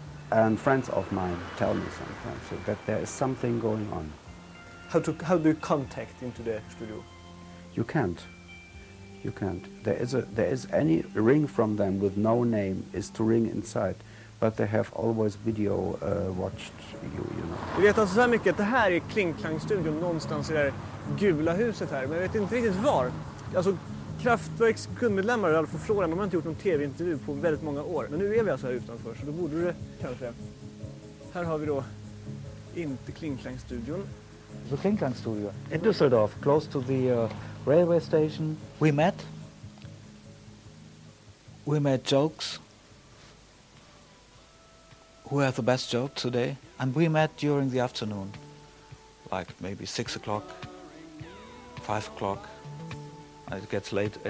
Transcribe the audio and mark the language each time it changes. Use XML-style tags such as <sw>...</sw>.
<en>And friends of mine tell me sometimes that there is something going on. How do you contact into the studio? You can't. You can't. There is any ring from them with no name is to ring inside, but they have always video watched you, you know.</en> <sv>Vi vet alltså så här mycket att det här är Klingklangstudion någonstans i det här gula huset här, men jag vet inte riktigt var. Alltså Kraftwerks kundmedlemmar har fått frågan. De har inte gjort någon tv-intervju på väldigt många år. Men nu är vi alltså här utanför, så då borde det kanske. Här har vi då inte Klingklang-studion.</sv> <en>The Klingklang-studio in Düsseldorf, close to the railway station. We made jokes. Who had the best joke today? And we met during the afternoon, like maybe 6 o'clock, 5 o'clock. It gets late.</en>